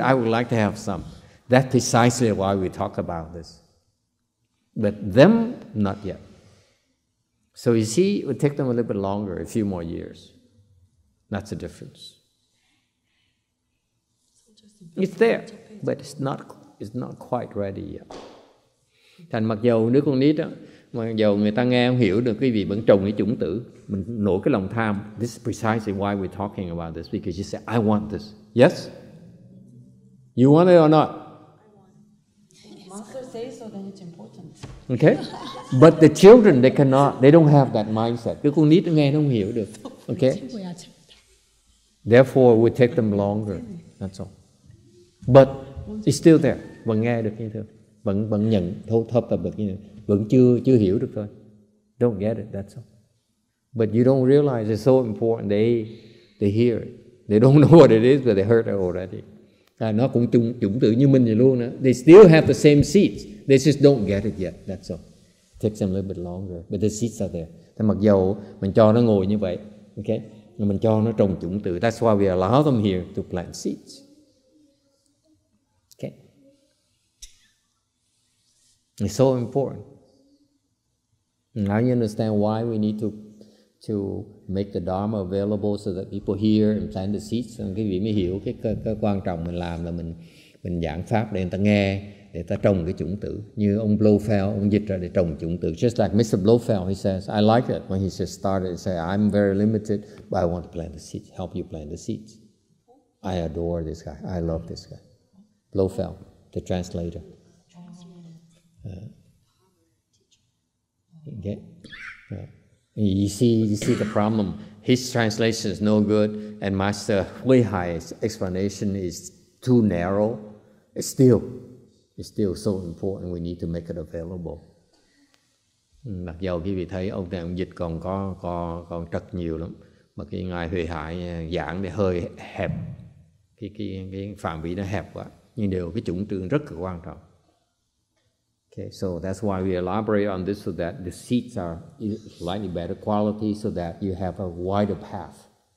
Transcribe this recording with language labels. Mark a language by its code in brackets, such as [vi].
[en] I would like to have some. That's precisely why we talk about this. But them, not yet. So you see, it would take them a little bit longer, a few more years. That's the difference. It's there, but it's not quite ready yet. [vi] Thành mặc dù đứa con nít đó, mà dù người ta nghe không hiểu được, quý vị vẫn trồng cái chủng tử, mình nổi cái lòng tham. [en] This is precisely why we're talking about this, because you say, I want this. Yes? You want it or not? I want it. Master says so, then it's important. Okay? But the children, they cannot, they don't have that mindset. [vi] Cái con nít nghe nó không hiểu được. [en] Okay? Therefore, we take them longer. That's all. But it's still there. [vi] Vẫn nghe được như thế. Vẫn nhận, thấu tập được như thế. Vẫn chưa hiểu được thôi. [en] Don't get it, that's all. But you don't realize it's so important. They hear it. They don't know what it is, but they heard it already. [vi] Nó cũng chủng tử như mình vậy luôn đó. [en] They still have the same seeds. They just don't get it yet, that's all. Takes them a little bit longer. But the seeds are there. [vi] Thế mặc dù mình cho nó ngồi như vậy, okay? Mình cho nó trồng chủng tử. [en] That's why we allow them here to plant seeds. It's so important. Now you understand why we need to make the Dharma available so that people hear and plant the seeds. [vi] And quý vị mới hiểu cái quan trọng mình làm là mình giảng pháp để người ta nghe, để ta trồng cái chủng tử. Như ông Blofeld, ông dịch ra để trồng chủng tử. [en] Just like Mr. Blofeld, he says, I like it when he just started. He said, I'm very limited, but I want to plant the seeds. Help you plant the seeds. I adore this guy. I love this guy. Blofeld, the translator. You see the problem. His translation is no good, and Master HuiHai's explanation is too narrow. It's still so important. We need to make it available. [vi] Mặc dù quý vị thấy ông này ông dịch còn trật nhiều lắm, mà cái ngài HuiHai giảng thì hơi hẹp, cái phạm vi nó hẹp quá. Nhưng điều cái chủng trương rất là quan trọng. [en] Okay, so that's why we elaborate on this so that the seeds are slightly better quality so that you have a wider path.